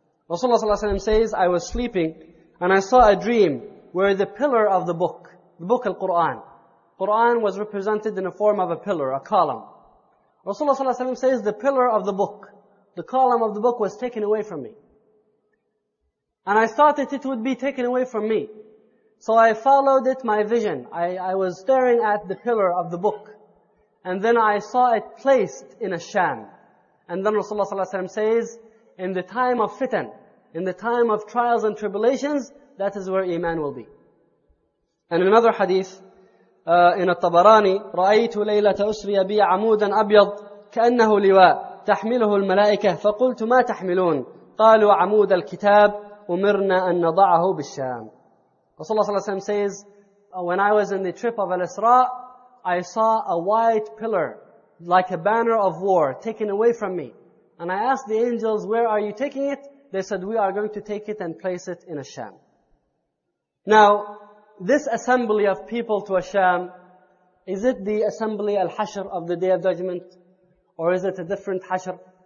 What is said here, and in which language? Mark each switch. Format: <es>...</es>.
<en>Rasulullah sallallahu alayhi wa sallam says, I was sleeping and I saw a dream where the pillar of the book al-Qur'an. Qur'an was represented in a form of a pillar, a column. Rasulullah sallallahu alayhi wa sallam says, the pillar of the book, the column of the book was taken away from me. And I thought that it would be taken away from me. So I followed it, my vision. I was staring at the pillar of the book. And then I saw it placed in a sham. And then Rasulullah sallallahu alayhi wa sallam says, in the time of fitan, in the time of trials and tribulations, that is where iman will be. And in another hadith, in al-Tabarani,</en> <ar>رأيت ليلة أسري بي عمودا أبيض كأنه لواء تحمله الملائكة فقلت ما تحملون قالوا عمود الكتاب أمرنا أن نضعه بالشام.</ar> <en>Rasulullah</en> <ar>صلى الله عليه وسلم</ar> <en>says, when I was in the trip of al-Isra, I saw a white pillar like a banner of war taken away from me. And I asked the angels, where are you taking it? They said, we are going to take it and place it in Ash-Sham. Now, this assembly of people to Ash-Sham, is it the assembly al-Hashr of the Day of Judgment? Or is it a different Hashr?</en>